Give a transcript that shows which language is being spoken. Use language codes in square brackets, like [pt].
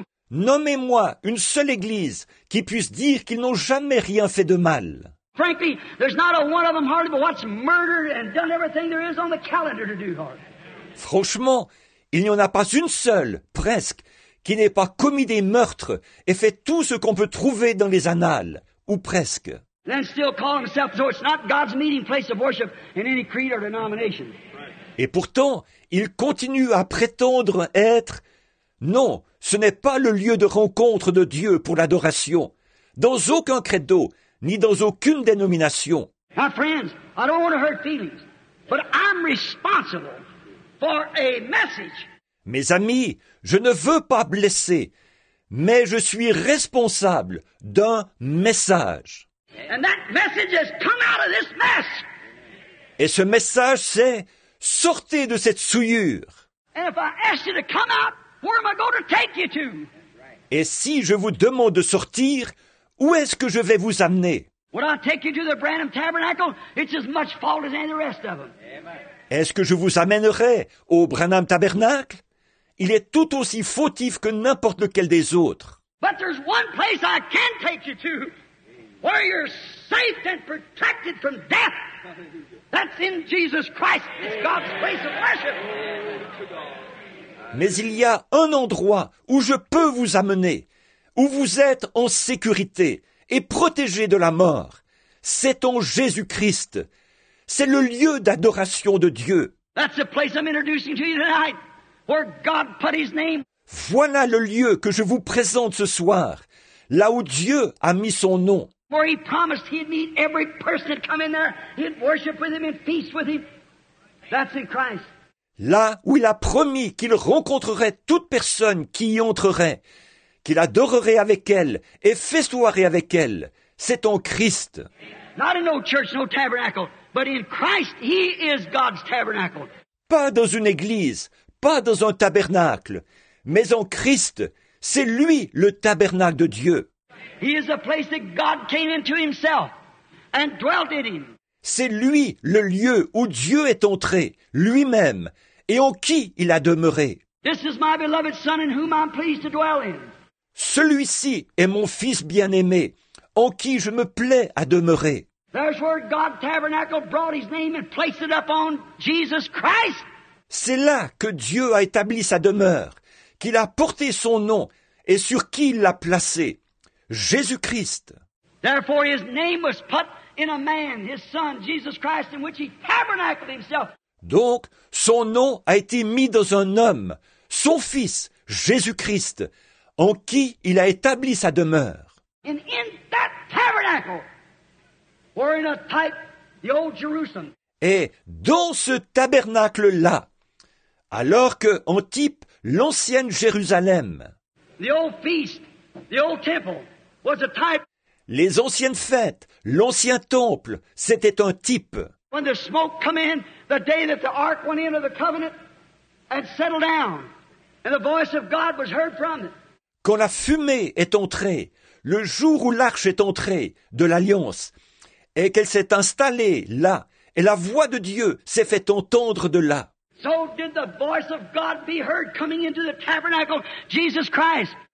[fr] Nommez-moi une seule église qui puisse dire qu'ils n'ont jamais rien fait de mal. [en] Frankly, there's not a one of them hardly but what's murdered and done everything there is on the calendar to do hard. [fr] Franchement, il n'y en a pas une seule, presque, qui n'ait pas commis des meurtres et fait tout ce qu'on peut trouver dans les annales, ou presque. [en] Then still call himself, so it's not God's meeting place of worship in any creed or denomination. [fr] Et pourtant, il continue à prétendre être, non, ce n'est pas le lieu de rencontre de Dieu pour l'adoration, dans aucun credo, ni dans aucune dénomination. [en] My friends, I don't want to hurt feelings, but I'm responsible for a message. [fr] Mes amis, je ne veux pas blesser, mais je suis responsable d'un message. [en] And that message has come out of this mess. [fr] Et ce message, c'est sortez de cette souillure. [en] And if I ask you to come out, where am I going to take you to? [fr] Et si je vous demande de sortir, où est-ce que je vais vous amener? [en] Would I take you to the Branham Tabernacle? It's as much fault as any of the rest of them. Amen. [fr] Est-ce que je vous amènerai au Branham Tabernacle? Il est tout aussi fautif que n'importe lequel des autres. [en] But there's one place I can take you to where you're safe and protected from death. That's in Jesus Christ. It's God's place of worship. [fr] Mais il y a un endroit où je peux vous amener, où vous êtes en sécurité et protégé de la mort. C'est en Jésus-Christ. C'est le lieu d'adoration de Dieu. [en] That's the place I'm introducing to you tonight, where God put his name. [fr] Voilà le lieu que je vous présente ce soir, là où Dieu a mis son nom. [en] Where he promised he'd meet every person that come in there, he'd worship with him and feast with him. That's in Christ. [fr] Là où il a promis qu'il rencontrerait toute personne qui y entrerait, qu'il adorerait avec elle et festoirait avec elle, c'est en Christ. [en] Not in no church, no tabernacle, but in Christ, he is God's tabernacle. [fr] Pas dans une église, pas dans un tabernacle, mais en Christ, c'est lui le tabernacle de Dieu. [en] He is the place that God came into himself and dwelt in him. [fr] C'est lui le lieu où Dieu est entré, lui-même, et en qui il a demeuré. [en] This is my beloved son in whom I'm pleased to dwell in. [fr] Celui-ci est mon fils bien-aimé, en qui je me plais à demeurer. [en] There's where God tabernacle brought his name and placed it up on Jesus Christ. [fr] C'est là que Dieu a établi sa demeure, qu'il a porté son nom et sur qui il l'a placé, Jésus-Christ. [en] Therefore his name was put in a man, his son, Jesus Christ, in which he tabernacled himself. [fr] Donc, son nom a été mis dans un homme, son fils, Jésus-Christ, en qui il a établi sa demeure. [en] And in that tabernacle, we're in a type, the old Jerusalem. [fr] Et dans ce tabernacle-là, alors que, en type, l'ancienne Jérusalem. [en] The old feast, the old temple was a type. [fr] Les anciennes fêtes, l'ancien temple, c'était un type. [en] When the smoke come in, the day that the ark went into the covenant and settled down, and the voice of God was heard from it. [fr] Quand la fumée est entrée, le jour où l'arche est entrée de l'Alliance, et qu'elle s'est installée là, et la voix de Dieu s'est fait entendre de là. [en] So did the voice of God be heard coming into the tabernacle, Jesus Christ.